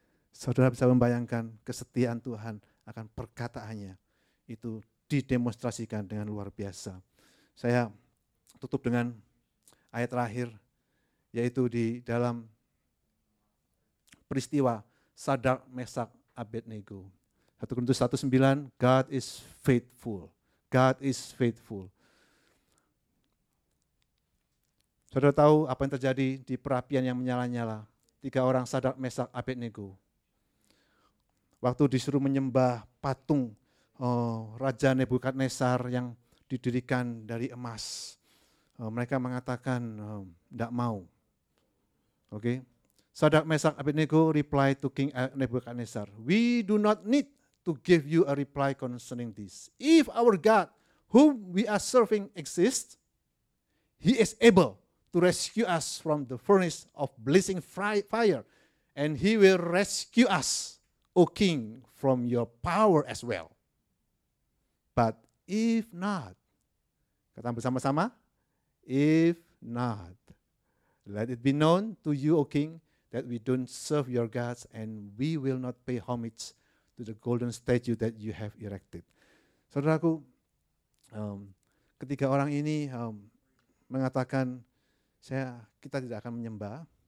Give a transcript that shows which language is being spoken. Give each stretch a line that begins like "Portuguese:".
Indonesian: Saudara bisa membayangkan kesetiaan Tuhan akan perkataannya itu didemonstrasikan dengan luar biasa. Saya tutup dengan ayat terakhir, yaitu di dalam peristiwa Sadrak, Mesak, Abednego.
English: 1 Korintus 1:9, God is faithful. God is faithful.
Indonesian: Saudara tahu apa yang terjadi di perapian yang menyala-nyala. Tiga orang Sadrak, Mesak, Abednego. Waktu disuruh menyembah patung Raja Nebukadnezar yang didirikan dari emas. Mereka mengatakan tidak mau. Oke.
English: Sadrak, Mesak, Abednego reply to King Nebukadnezar. We do not need to give you a reply concerning this. If our God, whom we are serving, exists, he is able to rescue us from the furnace of blazing fire, and he will rescue us, O King, from your power as well. But if not,
Indonesian: kata bersama-sama,
English: if not, let it be known to you, O King, that we don't serve your gods and we will not pay homage to the golden statue that you have erected.
Indonesian: Saudaraku, ketiga orang ini mengatakan, kita tidak akan menyembah.